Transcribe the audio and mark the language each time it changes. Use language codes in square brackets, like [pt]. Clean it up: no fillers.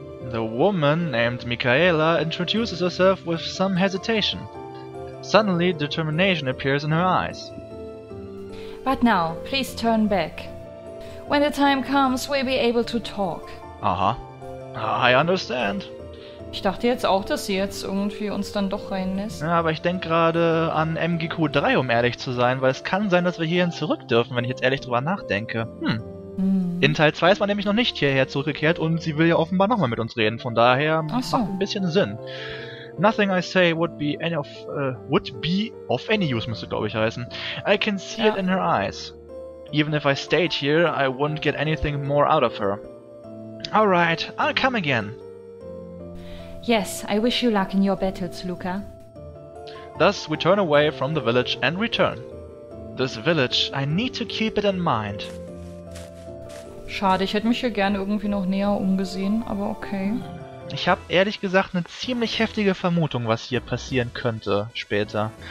[en] The woman named Michaela introduces herself with some hesitation. Suddenly, determination appears in her eyes. But now, please turn back. When the time comes, we'll be able to talk. I understand. [de] Ich dachte jetzt auch, dass sie jetzt irgendwie uns dann doch reinlässt. Ja, aber ich denke gerade an MGQ3, um ehrlich zu sein, weil es kann sein, dass wir hierhin zurück dürfen, wenn ich jetzt ehrlich drüber nachdenke. In Teil 2 ist man nämlich noch nicht hierher zurückgekehrt und sie will ja offenbar nochmal mit uns reden, von daher macht ein bisschen Sinn. [en] Nothing I say would be of any use, [de] müsste glaube ich heißen. [en] I can see it in her eyes. Even if I stayed here, I wouldn't get anything more out of her. Alright, I'll come again. Yes, I wish you luck in your battles, Luca. Thus, we turn away from the village and return. This village, I need to keep it in mind. [de] Schade, ich hätte mich hier gerne irgendwie noch näher umgesehen, aber okay. Ich habe ehrlich gesagt eine ziemlich heftige Vermutung, was hier passieren könnte später.